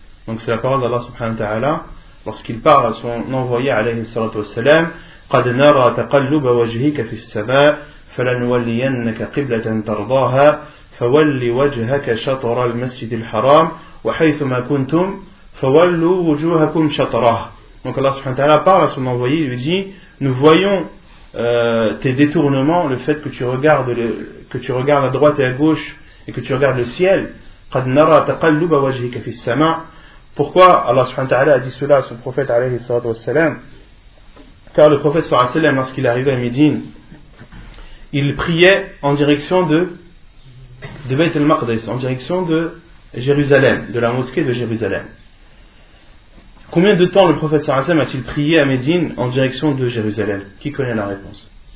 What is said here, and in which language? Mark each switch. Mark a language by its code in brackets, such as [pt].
[fr] Donc c'est la parole d'Allah subhanahu wa ta'ala lorsqu'il parle à son envoyé alayhi salatu wa salam, [ar] قد نرى تقلب وجهك في السماء فلنولينك قبلة ترضاها فولي وجهك شطر المسجد الحرام وحيثما كنتم فولوا وجوهكم شطره. [fr] Donc Allah subhanahu wa ta'ala parle à son envoyé, lui dit, nous voyons tes détournements, le fait que tu regardes à droite et à gauche et que tu regardes le ciel. [ar] قد نرى تقلب وجهك في السماء. [fr] Pourquoi Allah subhanahu wa ta'ala a dit cela à son prophète alayhi salatu wa salam? Car le prophète sallallahu alayhi wa sallam, lorsqu'il arrivait à Médine, il priait en direction de Bayt al-Maqdis, en direction de Jérusalem, de la mosquée de Jérusalem. Combien de temps le prophète sallallahu alayhi wa sallam a-t-il prié à Médine en direction de Jérusalem? Qui connaît la réponse?